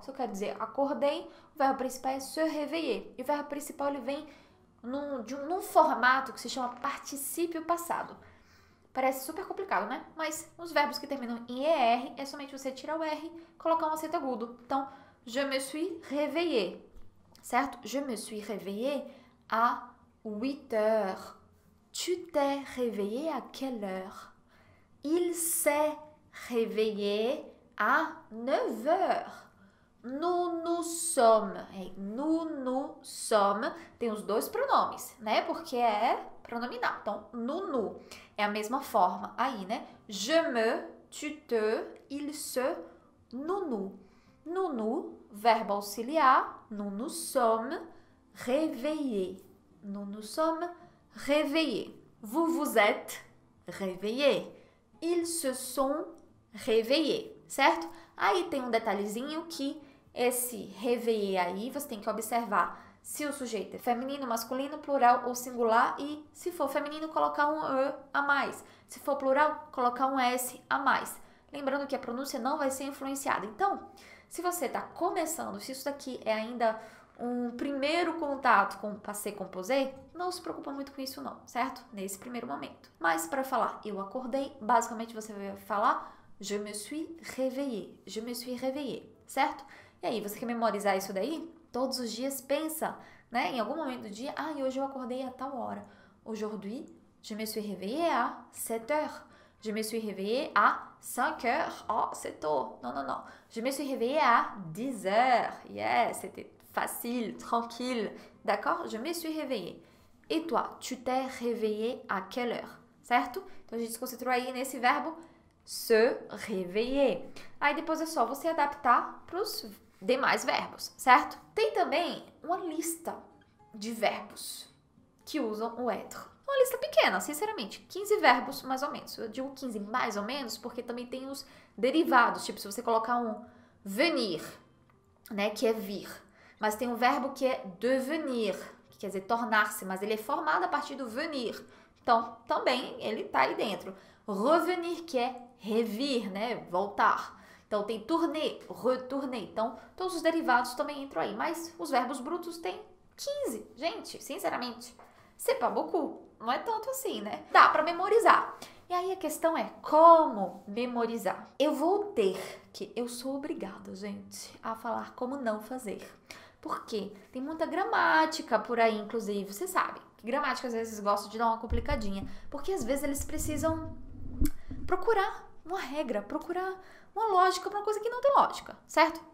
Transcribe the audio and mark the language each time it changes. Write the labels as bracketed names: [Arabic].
[Portuguese] Se eu quero dizer acordei, o verbo principal é [French] se réveiller. [Portuguese] E o verbo principal ele vem num formato que se chama particípio passado. Parece super complicado, né? Mas os verbos que terminam em ER é somente você tirar o R e colocar um acento agudo. [French] Então, je me suis réveillée, certo? Je me suis réveillée à 8 heures. Tu t'es réveillée à quelle heure? Il s'est réveillé à 9 heures. Nous nous sommes. Nous nous sommes. [Portuguese] Tem os dois pronomes, né? Porque é pronominal. Então, [French] nous nous. [Portuguese] É a mesma forma aí, né? [French] Je me, tu te, il se, nous nous. Nous nous, [Portuguese] verbo auxiliar, [French] nous nous sommes réveillés. Nous nous sommes réveillés. Vous vous êtes réveillés. Ils se sont réveillés, certo? [Portuguese] Aí tem um detalhezinho que esse réveillé aí, você tem que observar se o sujeito é feminino, masculino, plural ou singular. E se for feminino, colocar um E a mais. Se for plural, colocar um S a mais. Lembrando que a pronúncia não vai ser influenciada. Então, se você está começando, se isso daqui é ainda um primeiro contato com passé composé, não se preocupa muito com isso não, certo? Nesse primeiro momento. Mas para falar eu acordei, basicamente você vai falar [French] je me suis réveillé, je me suis réveillé, [Portuguese] certo? E aí, você quer memorizar isso daí? Todos os dias pensa, né? Em algum momento do dia, ah, hoje eu acordei a tal hora. [French] Aujourd'hui, je me suis réveillé à 7 heures. Je me suis réveillé à 5 heures. Oh, c'est tôt. Non, non, non. Je me suis réveillé à 10 heures. [English] Yes, yeah, [French] c'était facile, tranquille, d'accord? Je me suis réveillée. Et toi, tu t'es réveillée à quelle heure? [Portuguese] Certo? Então a gente se concentrou aí nesse verbo [French] se réveiller. [Portuguese] Aí depois é só você adaptar para os demais verbos, certo? Tem também uma lista de verbos que usam o être. Uma lista pequena, sinceramente. 15 verbos, mais ou menos. Eu digo 15 mais ou menos porque também tem os derivados. Tipo, se você colocar um venir, né, que é vir. Mas tem um verbo que é devenir, que quer dizer tornar-se, mas ele é formado a partir do venir. Então, também ele tá aí dentro. Revenir, que é revir, né? Voltar. Então, tem [French] tourner, retourner. [Portuguese] Então, todos os derivados também entram aí. Mas os verbos brutos têm 15. Gente, sinceramente, [French] c'est pas beaucoup. [Portuguese] Não é tanto assim, né? Dá para memorizar. E aí a questão é como memorizar? Eu vou ter que, eu sou obrigada, gente, a falar como não fazer. Porque tem muita gramática por aí, inclusive, você sabe que gramática às vezes gosta de dar uma complicadinha, porque às vezes eles precisam procurar uma regra, procurar uma lógica para uma coisa que não tem lógica, certo?